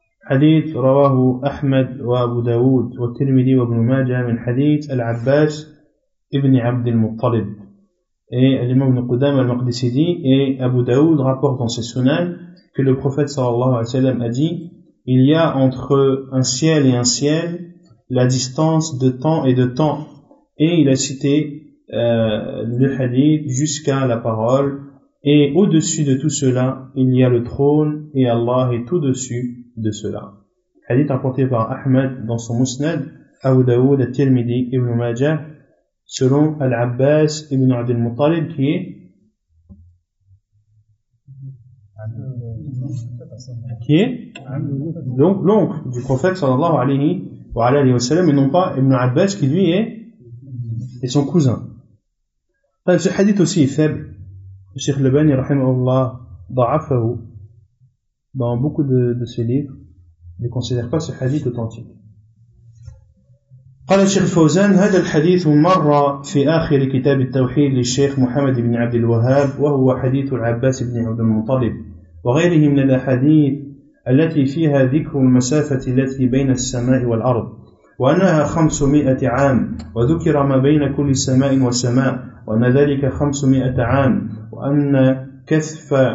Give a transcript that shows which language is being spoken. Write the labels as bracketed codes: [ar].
[ar] حديث رواه أحمد وأبو داود والترمذي وابن ماجه من حديث العباس ابن عبد المطلب الإمام ابن قدامة المقدسي أبو داود [fr] rapporte dans ses sunan que le prophète sallallahu alayhi wa sallam a dit il y a entre un ciel et un ciel la distance de temps et de temps et il a cité le hadith jusqu'à la parole et au-dessus de tout cela il y a le trône et Allah est au-dessus de cela. Hadith apporté par Ahmed dans son Musnad, Abu Dawud, Al-Tirmidhi, Ibn Majah, selon Al-Abbas, Ibn Abdul Muttalib, qui est donc l'oncle du prophète sallallahu alayhi wa sallam, et non pas Ibn Abbas qui lui est son cousin. Enfin, ce hadith aussi est faible. Le Cheikh Lebani, rahimahullah, da'afahu. Dans beaucoup de ses livres, ne considère pas ce hadith authentique. [ar] قال الشيخ فوزان هذا الحديث مر في آخر كتاب التوحيد للشيخ محمد بن عبد الوهاب وهو حديث العباس بن عبد المطلب وغيره من الأحاديث التي فيها ذكر المسافة التي بين السماء والأرض وأنها 500 عام وذكر ما بين كل سماء وسماء وأن ذلك 500 عام وأن كثف